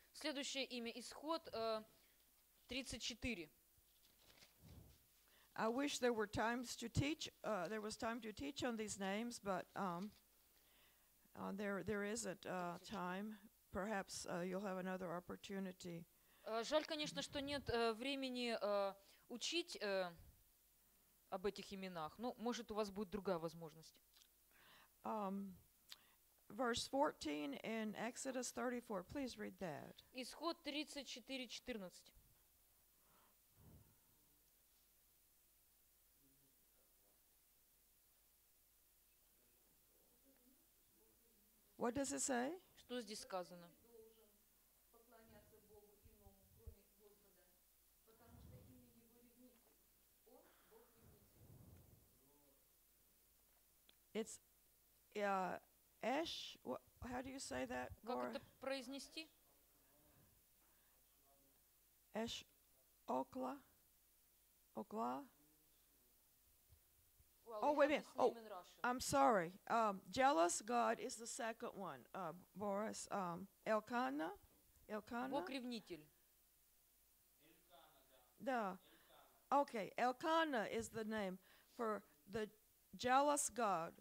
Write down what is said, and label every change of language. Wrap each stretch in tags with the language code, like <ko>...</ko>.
<ru>Следующее имя Исход 34.</ru> <en>I wish there were times to teach. There was time to teach on these names, but there isn't time. Perhaps you'll have another opportunity.</en> <ru>Жаль, конечно, что нет времени учить об этих именах. Ну, может, у вас будет другая возможность.</ru> <en>Verse 14 in Exodus 34. Please read that.</en> <ru>Исход 34:14.</ru> <en>What does it say?</en> <ru>Что здесь сказано?</ru> <en>It's Esh. How do you say that?</en> <ru>Как это произнести? Esh, Окла, Окла.</ru> <en>Oh, wait a minute. Oh, I'm sorry. Jealous God is the second one, Boris. Elkanah.</en> <ru>Бог ревнитель. Да.</ru> <en>Okay, Elkanah is the name for the jealous God.</en>